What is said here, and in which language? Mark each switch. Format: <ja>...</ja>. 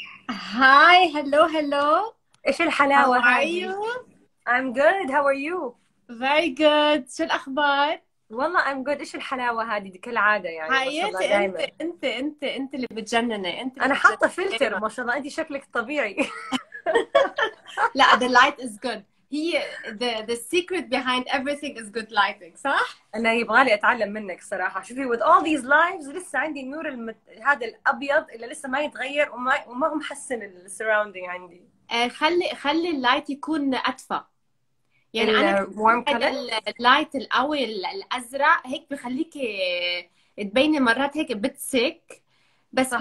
<ar>هاي هلو هلو. إيش الحلاوة هاي؟</ar> <en>I'm good. How are you? Very good.</en> <ar>شو الأخبار؟ والله</ar> <en>I'm good.</en> <ar>إيش الحلاوة هذه كالعادة يعني. حياتي أنت أنت أنت أنت اللي بتجننة. أنت اللي أنا حاطة فلتر ما شاء الله. أنت شكلك طبيعي. لا</ar> <en>the light is good.</en> <ar>هي</ar> <en>the secret behind everything is good lighting.</en> <ar>صح؟ أنا يبغالي أتعلم منك صراحة. شوفي</ar> <en>with all these lives</en> <ar>لسه عندي نور هذا الأبيض اللي لسه ما يتغير وما هو محسن ال surrounding عندي. خلي اللايت يكون أدفى يعني أنا اللايت القوي الأزرق هيك بخليك تبيني مرات هيك بتسك بس صح.</ar>